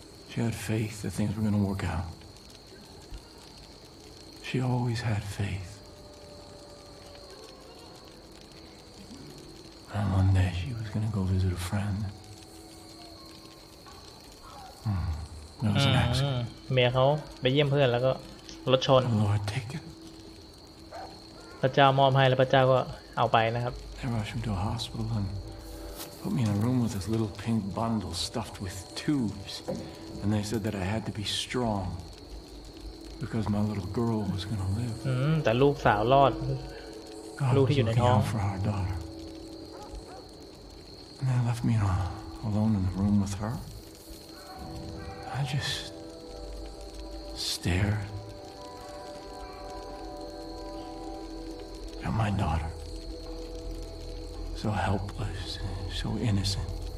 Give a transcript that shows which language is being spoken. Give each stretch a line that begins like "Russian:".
English: She had faith that things were going to work out. She always had faith. And one day she was gonna go visit a friend. That was an accident.
Thai: เมียเขาไปเยี่ยมเพื่อนแล้วก็รถชน
English: Lord take it.
Thai: พระเจ้ามอบให้แล้วพระเจ้าก็เอาไปนะครับ
English: They rushed me to a hospital and put me in a room with this little pink bundle stuffed with tubes. And they said that I had to be strong because my little girl was gonna live.
Thai: แต่ลูกสาวรอดลูกที่อยู่ในท้อง
English: And they left me alone in the room with her. I just stared my daughter. So helpless, so innocent.